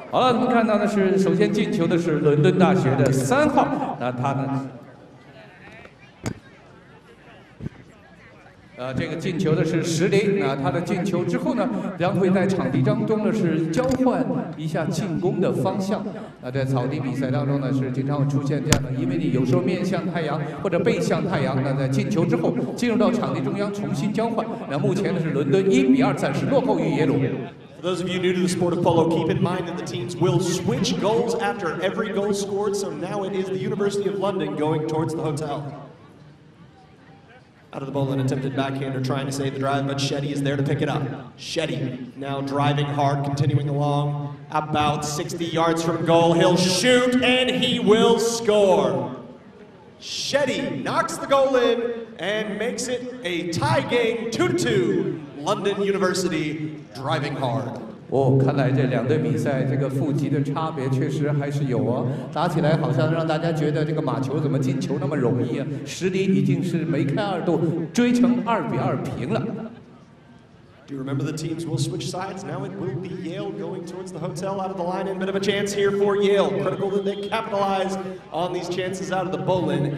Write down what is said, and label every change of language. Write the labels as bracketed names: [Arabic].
[Chinese] 好了，我们看到的是首先进球的是伦敦大学的三号，那他呢？这个进球的是石林，那他的进球之后呢，将会在场地当中呢是交换一下进攻的方向。那在草地比赛当中呢，是经常会出现这样的，因为你有时候面向太阳或者背向太阳，那在进球之后进入到场地中央重新交换。那目前呢是伦敦1-2暂时落后于耶鲁。 [English] For those of you new to the sport of polo, keep in mind that the teams will switch goals after every goal scored. So now it is the University of London going towards the hotel. Out of the ball, an attempted backhander trying to save the drive, but Shetty is there to pick it up. Shetty now driving hard, continuing along about 60 yards from goal. He'll shoot and he will score. Shetty knocks the goal in and makes it a tie game 2-2. London University driving hard. [Chinese] 哦，看来这两队比赛这个负极的差别确实还是有啊，打起来好像让大家觉得这个马球怎么进球那么容易啊，实力已经是梅开二度，追成2-2平了。 [English] Do you remember the teams will switch sides? Now it will be Yale going towards the hotel out of the line. And a bit of a chance here for Yale. Critical that they capitalize on these chances out of the bowline.